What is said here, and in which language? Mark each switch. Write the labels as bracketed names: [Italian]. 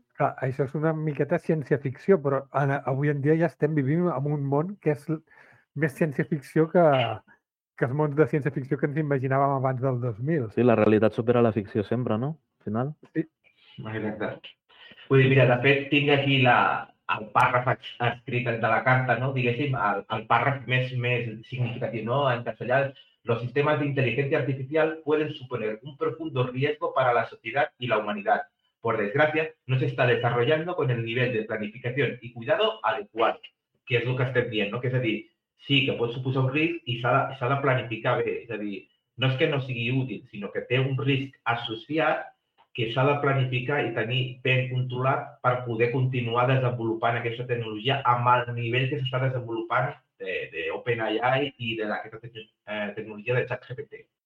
[Catalan] Clar, això és una miqueta ciència-ficció, però avui en dia ja estem vivint en un món que és més ciència-ficció que els mons de ciència-ficció que ens imaginàvem abans del 2000. Sí, la realitat supera la ficció sempre, no? Al final. Sí. Exacte. Vull dir, mira, de fet, tinc aquí el pàrraf escrit de la carta, no? Diguéssim, el pàrraf més significatiu, no? En castellà, [Spanish] los sistemas de inteligencia artificial pueden suponer un profundo riesgo para la sociedad y la humanidad. Por desgracia, no se está desarrollando con el nivel de planificación y cuidado adecuado, que es lo que [Catalan] estem dient, [Spanish] no? [Catalan] Que és a dir, sí, que pot suposar un risc i s'ha de planificar bé. És a dir, no és que no sigui útil, sinó que té un risc associat que s'ha de planificar i tenir ben controlat per poder continuar desenvolupant aquesta tecnologia amb el nivell que s'està desenvolupant d'OpenAI i d'aquesta tecnologia de ChatGPT.